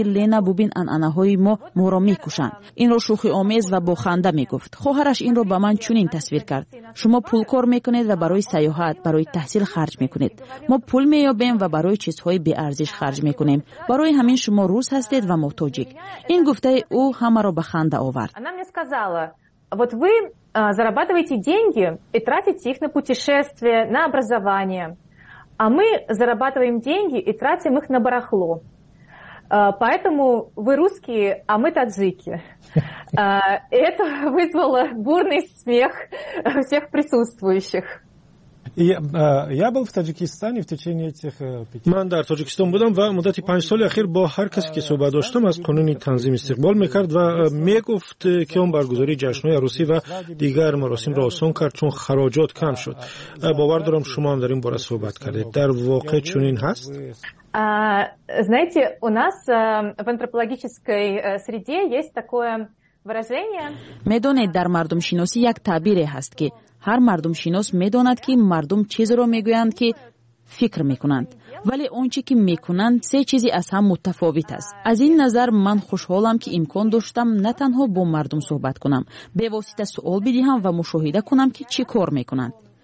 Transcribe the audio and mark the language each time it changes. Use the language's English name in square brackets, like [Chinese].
[Tajik] ки Лена бубин анъанаҳои мо моро мекушанд. Инро шӯхи омез ва бо ханда мегуфт. Хоҳараш инро ба ман чунин тасвир кард: шумо пул кор мекунед ва барои саёҳат, барои таҳсил харҷ мекунед. Мо пул меёбем ва барои чизҳои беарзиш харҷ мекунем. Барои ҳамин шумо рус ҳастед ва мо тоҷик. Ин гуфтаи ӯ ҳамаро ба ханда овард. [Russian] Она мне сказала: вот вы зарабатываете деньги и тратите их на путешествия, на образование. А мы зарабатываем деньги и тратим их на барахло. Поэтому вы русские, а мы таджики. Это вызвало бурный смех всех присутствующих. Я был в Таджикистане в течение этих 5 лет. [Tajik] Ман дар Таҷикистон будам ва муддати 5 соли ахир бо ҳар касе ки суҳбат доштам аз қонуни танзим истиқбол мекард ва мегуфт ки он баргузории ҷашнҳои арусӣ ва дигар маросимро осон кард, чун хароҷот кам шуд. Бовар дорам шумо ҳам дар ин бора суҳбат кардед. Дар воқеъ чунин ҳаст? [Russian] Знаете, у нас в антропологической среде есть такое выражение. [Tajik] Медонед дар мардумшиносӣ як таъбире ҳаст ки ҳар мардумшинос медонад ки мардум чизро мегӯянд ки фикр мекунанд. Вале он чи ки мекунанд се чизи аз ҳам мутафовит аст. Аз ин назар ман хушҳолам ки имкон доштам на танҳо бо мардум суҳбат кунам, бевосита суол бидиҳам ва мушоҳида кунам ки чӣ кор мекунанд.